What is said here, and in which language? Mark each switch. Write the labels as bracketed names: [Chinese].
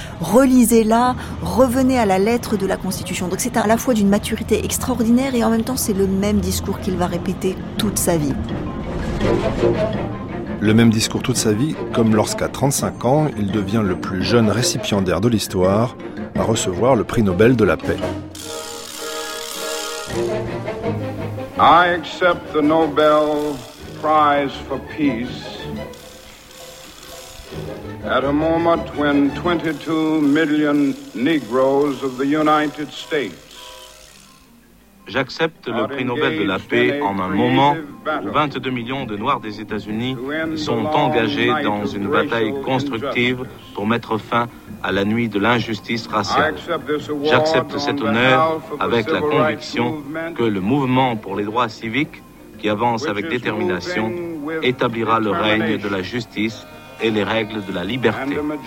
[French] Relisez-la, revenez à la lettre de la Constitution. » Donc c'est à la fois d'une maturité extraordinaire et en même temps c'est le même discours qu'il va répéter toute sa vie. Le même discours toute sa vie, comme lorsqu'à 35 ans, il devient le plus jeune récipiendaire de l'histoire à recevoir le prix Nobel de la paix. [English] I accept the Nobel Prize for Peace at a moment when 22 million Negroes of the United States. [French] J'accepte le prix Nobel de la paix en un moment où 22 millions de Noirs des États-Unis sont engagés dans une bataille constructive pour mettre fin à la nuit de l'injustice raciale. J'accepte cet honneur avec la conviction que le mouvement pour les droits civiques, qui avance avec détermination, établira le règne de la justice et les règles de la liberté.